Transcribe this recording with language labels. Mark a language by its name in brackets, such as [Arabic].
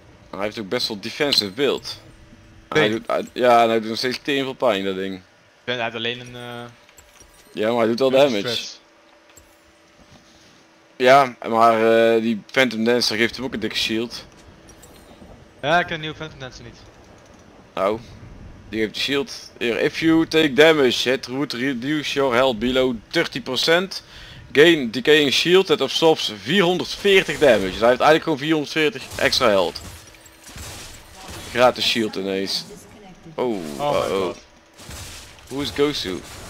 [Dutch] Hij heeft ook best wel defensive build. Hij doet nog steeds tering veel pijn, dat ding. Hij heeft alleen een... Ja, maar hij doet wel damage. Stress. Ja, maar die Phantom Dancer geeft hem ook een dikke shield. Ja, ik ken een nieuwe Phantom Dancer niet. Nou, die geeft de shield. [English] Here, if you take damage, it would reduce your health below 30%. Gain decaying shield that absorbs 440 damage. [Dutch] Dus hij heeft eigenlijk gewoon 440 extra health. Gratis shield ineens. Oh. [English] Who is Gosu?